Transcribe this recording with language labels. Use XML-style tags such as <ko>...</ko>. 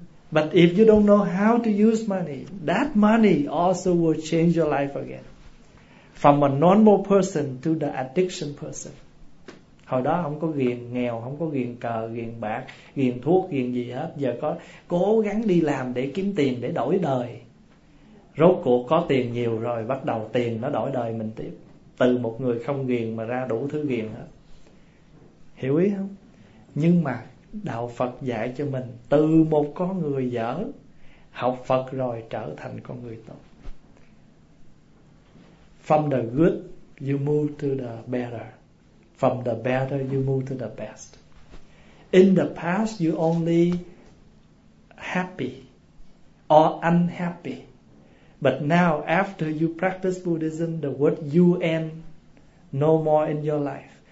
<en>But if you don't know how to use money, that money also will change your life again. From a normal person to the addiction person.</en> <vi>Hồi đó không có ghiền nghèo, không có ghiền cờ, ghiền bạc, ghiền thuốc, ghiền gì hết. Giờ có cố gắng đi làm để kiếm tiền, để đổi đời. Rốt cuộc có tiền nhiều rồi, bắt đầu tiền nó đổi đời mình tiếp. Từ một người không ghiền mà ra đủ thứ ghiền hết. Hiểu ý không? Nhưng mà Đạo Phật dạy cho mình, từ một con người dở, học Phật rồi trở thành con người tốt.</vi> <en>From the good, you move to the better. From the better, you move to the best. In the past, you only happy or unhappy. But now, after you practice Buddhism, the word UN no more in your life.</en>